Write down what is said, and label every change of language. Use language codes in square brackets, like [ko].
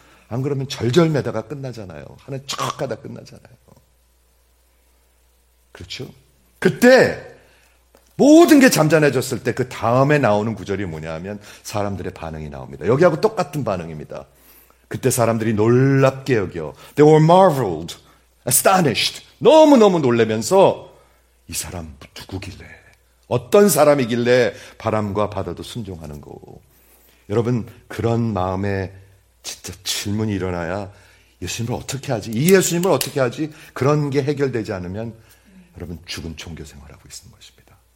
[ko] 안 그러면 절절매다가 끝나잖아요. 하는 척하다 끝나잖아요. 그렇죠? 그때 모든 게 잠잠해졌을 때 그 다음에 나오는 구절이 뭐냐면 사람들의 반응이 나옵니다. 여기하고 똑같은 반응입니다. 그때 사람들이 놀랍게 여겨. [en] They were marveled, astonished. [ko] 너무너무 놀라면서 이 사람 누구길래? 어떤 사람이길래 바람과 바다도 순종하는 거. 여러분, 그런 마음에 진짜 질문이 일어나야 예수님을 어떻게 하지? 이 예수님을 어떻게 하지? 그런 게 해결되지 않으면 여러분 죽은 종교 생활하고 있는 것입니다.